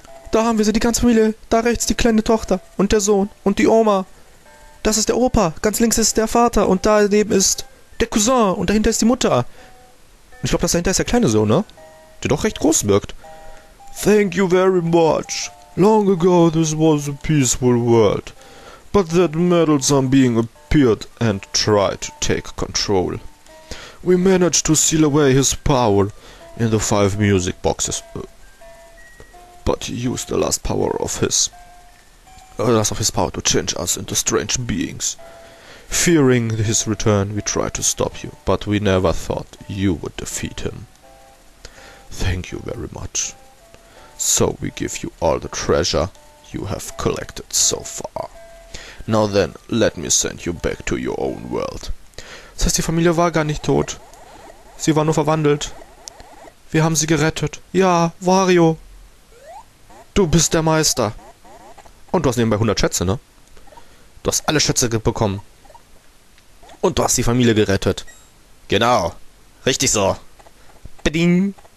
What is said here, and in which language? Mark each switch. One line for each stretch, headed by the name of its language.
German: Da haben wir sie, die ganze Familie. Da rechts die kleine Tochter und der Sohn und die Oma. Das ist der Opa. Ganz links ist der Vater und daneben ist der Cousin und dahinter ist die Mutter. Ich glaube, das dahinter ist der kleine Sohn, ne? Der doch recht groß wirkt.
English: Thank you very much. Long ago this was a peaceful world. But that meddlesome being appeared and tried to take control. We managed to seal away his power in the five music boxes. But he used the last power of his. Last of his power to change us into strange beings. Fearing his return, we tried to stop you, but we never thought you would defeat him. Thank you very much. So we give you all the treasure you have collected so far. Now then, let me send you back to your own world.
German: Das heißt, die Familie war gar nicht tot. Sie war nur verwandelt. Wir haben sie gerettet. Ja, Wario. Du bist der Meister. Und du hast nebenbei 100 Schätze, ne? Du hast alle Schätze bekommen. Und du hast die Familie gerettet. Genau. Richtig so. Bedien.